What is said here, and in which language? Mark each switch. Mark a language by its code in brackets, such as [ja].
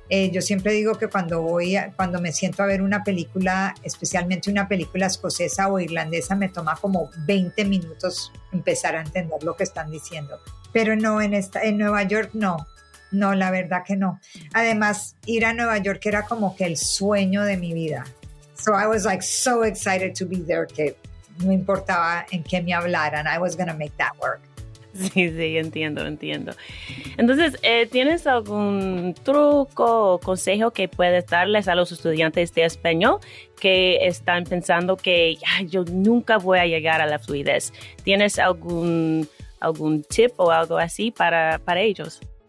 [es] Yo siempre digo que cuando me siento a ver una película, especialmente una película escocesa o irlandesa, me toma como 20 minutos empezar a entender lo que están diciendo. Pero no, en Nueva York no, la verdad que no. Además, ir a Nueva York era como que el sueño de mi vida. [en] So I was like so excited to be there [es] que no importaba en qué me hablaran, [en] I was gonna make that work. [es] Sí, entiendo. Entonces, ¿tienes algún truco o consejo que puedes darles a los estudiantes de español que están pensando que yo nunca voy a llegar a la fluidez? ¿Tienes algún tip o algo así para ellos?